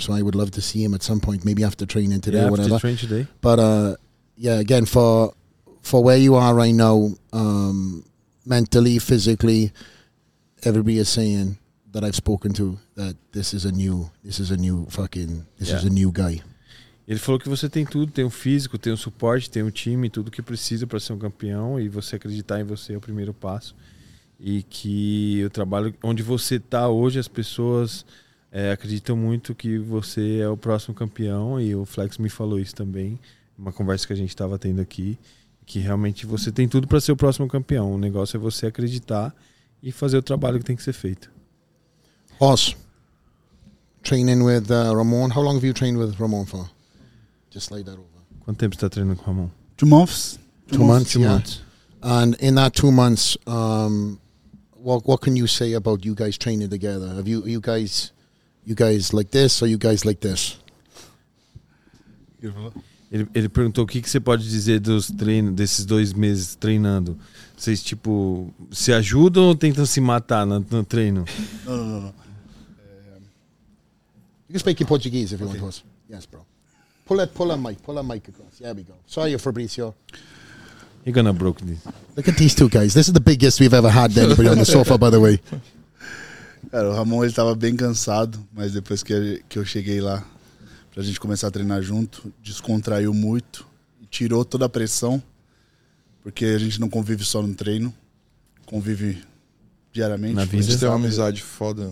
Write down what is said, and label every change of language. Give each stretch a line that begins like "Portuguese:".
English: So I would love to see him at some point, maybe after training today or whatever. After training today. But again, for where you are right now, mentally, physically, everybody is saying that I've spoken to that this is a new guy.
Portuguese: Ele falou que você tem tudo, tem o físico, tem o suporte, tem o time, tudo que precisa para ser um campeão, e você acreditar em você é o primeiro passo. E que o trabalho onde você está hoje, as pessoas acredito muito que você é o próximo campeão, e o Flex me falou isso também, uma conversa que a gente estava tendo aqui, que realmente você tem tudo para ser o próximo campeão. O negócio é você acreditar e fazer o trabalho que tem que ser feito.
English: Awesome. Training with Ramon. How long have you trained with Ramon for? Just slide that over.
Portuguese: Quanto tempo você está treinando com Ramon?
English: 2 months. Two months. And in that 2 months, what can you say about you guys training together? Have you, you guys like this or you guys like this?
Portuguese: Ele perguntou o que você pode dizer dos treinos, desses 2 meses treinando. Vocês, tipo, se ajudam ou tentam se matar no treino?
English: Não. You can speak in Portuguese if you want to. Yes, bro. Pull a mic across. There we go. Sorry, Fabrício. You're gonna broke this. Look at these two guys. This is the biggest we've ever had anybody on the sofa, by the way.
Portuguese: Cara, o Ramon, ele tava bem cansado, mas depois que eu cheguei lá pra gente começar a treinar junto, descontraiu muito, tirou toda a pressão, porque a gente não convive só no treino, convive diariamente. Na vida, a gente tem uma amizade foda.